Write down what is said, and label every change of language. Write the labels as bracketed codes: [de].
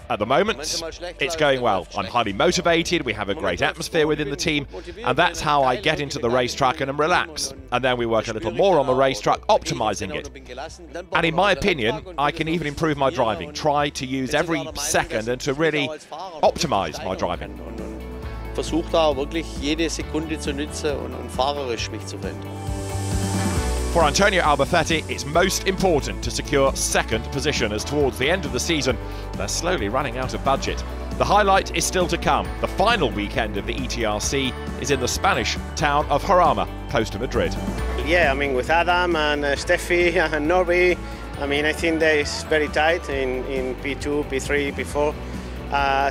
[en] At the moment, it's going well. I'm highly motivated, we have a great atmosphere within the team, and that's how I get into the racetrack and am relaxed. And then we work a little more on the racetrack, optimizing it. And in my opinion, I can even improve my driving, try to use every second and to really optimize my driving. [de] Versucht da wirklich jede Sekunde zu nutzen und fahrerisch mich zu wenden. [en] For Antonio Albacete, it's most important to secure second position, as towards the end of the season, they're slowly running out of budget. The highlight is still to come. The final weekend of the ETRC is in the Spanish town of Jarama, close to Madrid. Yeah, I mean, with Adam and Steffi and Norby, I mean, I think that it's very tight in P2, P3, P4.